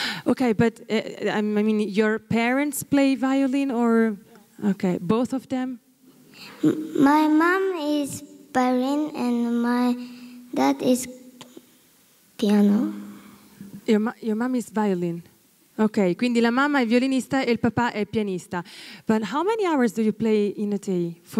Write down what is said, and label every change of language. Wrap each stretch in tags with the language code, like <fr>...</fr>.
<en>Okay, but I mean, your parents play violin or? Okay, both of them? My mom is violin and my dad is piano. Your mom is violin.</en> <it>Okay, quindi la mamma è violinista e il papà è pianista.</it> <en>But how many hours do you play in a day?</en>